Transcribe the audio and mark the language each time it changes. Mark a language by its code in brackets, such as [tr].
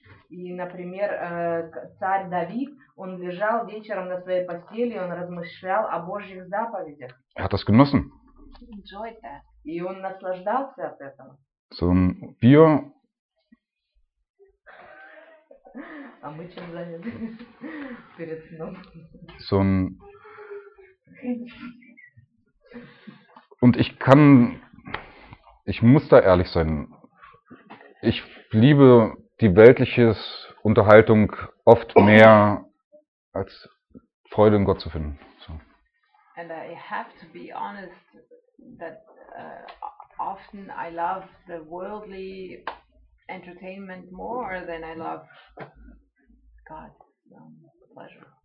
[ru] И, например, царь Давид, он лежал вечером на своей постели, он размышлял о Божьих заповедях. [de] Er hat das genossen. [en] He enjoyed that. [ru] И он наслаждался от этого. [de] So, wir... [ru] А мы чем заняты перед сном? [de] So, und ich muss da ehrlich sein, ich liebe die weltliche Unterhaltung oft mehr als Freude in Gott zu finden. So. [en] And I have to be honest that often I love the worldly entertainment more than I love God's pleasure.